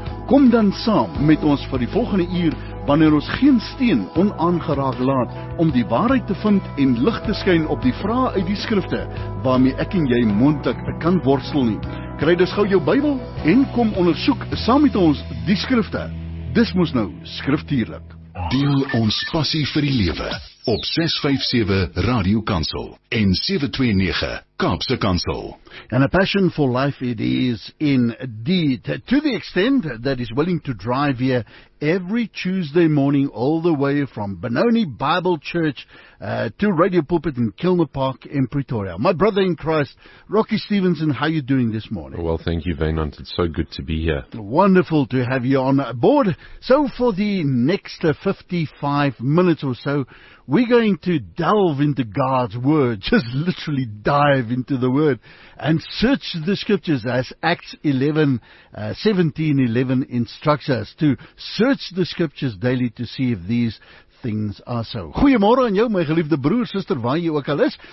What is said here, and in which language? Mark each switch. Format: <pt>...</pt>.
<af>Kom dan saam met ons vir die volgende uur, wanneer ons geen steen onaangeraak laat, om die waarheid te vind en lig te skyn op die vrae uit die skrifte, waarmee ek en jy moontlik kan worstel nie. Kry dus gou jou Bybel en kom ondersoek saam met ons die skrifte. Dis mos nou skriftuurlik. Deel ons passie vir die lewe op 657 Radio Kansel en 729 Kaapse Kansel.</af> <en>And a passion for life it is indeed, to the extent that is willing to drive here every Tuesday morning all the way from Benoni Bible Church to Radio Pulpit in Kilmer Park in Pretoria. My brother in Christ, Rocky Stevenson, how are you doing this morning? Well, thank you, Vaynant. It's so good to be here. Wonderful to have you on board. So for the next 55 minutes or so, we're going to delve into God's Word, just literally dive into the Word and search the Scriptures as Acts 17:11 instructs us to search the Scriptures daily to see if these things are so.</en> <af>Goeiemôre aan jou, my geliefde broer, sister, waar jy ook al is.</af>